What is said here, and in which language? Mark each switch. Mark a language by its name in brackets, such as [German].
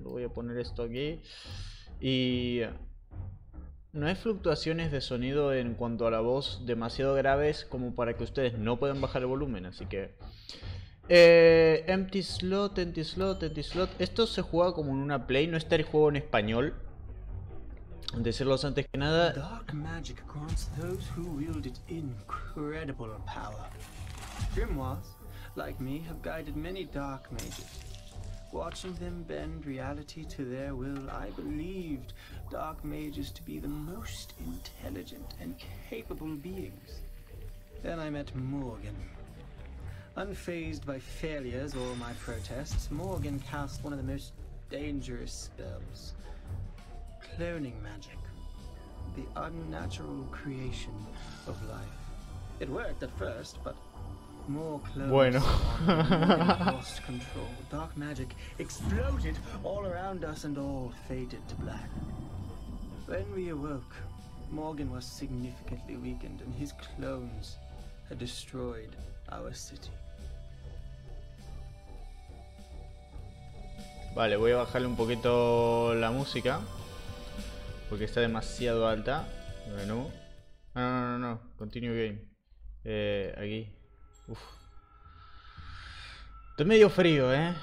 [Spanish] Lo voy a poner esto aquí. Y... no hay fluctuaciones de sonido en cuanto a la voz demasiado graves como para que ustedes no puedan bajar el volumen, así que... [English] empty slot, empty slot, empty slot. [Spanish] Esto se juega como en una play, no está el juego en español. Decirlos antes que nada. [English] Dark magic grants those who wield it incredible power. Grimoires, like me, have guided many dark mages. Watching them bend reality to their will, I believed dark mages to be the most intelligent and capable beings. Then I met Morgan. Unfazed by failures or my protests, Morgan cast one of the most dangerous spells. Cloning magic. The unnatural creation of life. It worked at first, but... [Spanish] Bueno. [English] Lost control. Dark magic exploded all around us and all faded to black. When we awoke, Morgan was significantly weakened and his clones had destroyed our city. [Spanish] Vale, voy a bajarle un poquito la música porque está demasiado alta. Bueno. No, no, no, no. [English] Continue game. [Spanish] Aquí. Uf. Estoy medio frío, ¿eh?